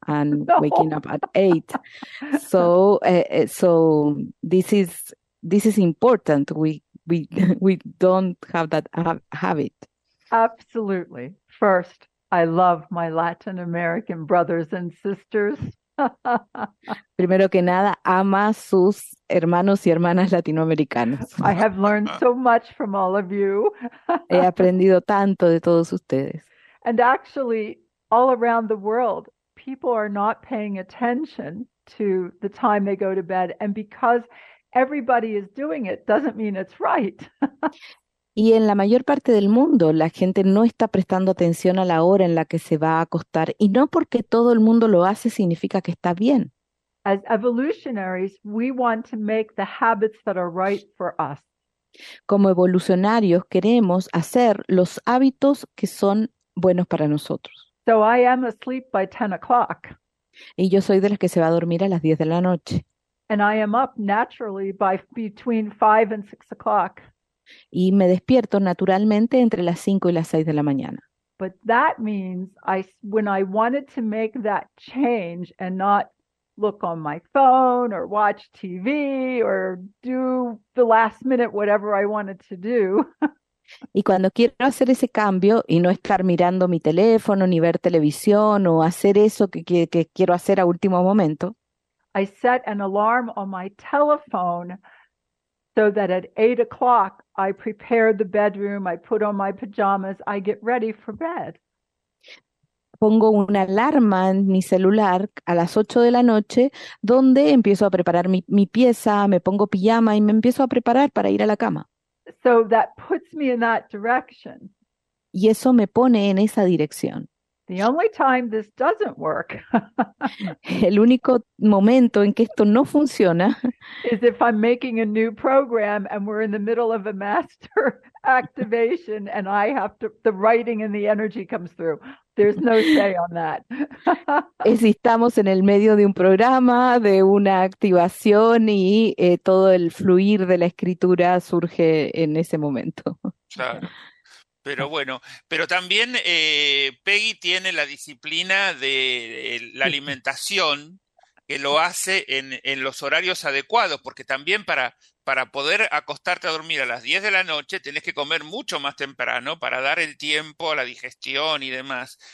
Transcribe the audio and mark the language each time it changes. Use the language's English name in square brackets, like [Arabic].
[English] and waking up at 8. So so this is important. We don't have that habit. Absolutely. First, I love my Latin American brothers and sisters. [Spanish] Primero que nada, ama sus hermanos y hermanas latinoamericanos. [English] I have learned so much from all of you. [Spanish] He aprendido tanto de todos ustedes. [English] And actually, all around the world, people are not paying attention to the time they go to bed. And because everybody is doing it, doesn't mean it's right. [Spanish] Y en la mayor parte del mundo, la gente no está prestando atención a la hora en la que se va a acostar. Y no porque todo el mundo lo hace significa que está bien. [English] As evolutionaries, we want to make the habits that are right for us. [Spanish] Como evolucionarios, queremos hacer los hábitos que son buenos para nosotros. [English] So I am asleep by 10 o'clock. [Spanish] Y yo soy de las que se va a dormir a las 10 de la noche. [English] And I am up naturally by between 5 and 6 o'clock. [Spanish] Y me despierto naturalmente entre las 5 y las 6 de la mañana. [English] But that means I, when I wanted to make that change and not look on my phone or watch TV or do the last minute whatever I wanted to do. [Spanish] Y cuando quiero hacer ese cambio y no estar mirando mi teléfono ni ver televisión o hacer eso que quiero hacer a último momento. [English] I set an alarm on my telephone so that at 8 o'clock I prepare the bedroom, I put on my pajamas, I get ready for bed. [Spanish] Pongo una alarma en mi celular a las 8 de la noche donde empiezo a preparar mi pieza, me pongo pijama y me empiezo a preparar para ir a la cama. [English] So that puts me in that direction. [Spanish] Y eso me pone en esa dirección. [English] The only time this doesn't work. [Spanish] El único momento en que esto no funciona [English] is if I'm making a new program and we're in the middle of a master activation and I have to, the writing and the energy comes through. There's no say on that. [Spanish] Es si estamos en el medio de un programa, de una activación y todo el fluir de la escritura surge en ese momento. Claro. Pero bueno, pero también Peggy tiene la disciplina de la alimentación que lo hace en los horarios adecuados, porque también para poder acostarte a dormir a las 10 de la noche tenés que comer mucho más temprano para dar el tiempo a la digestión y demás.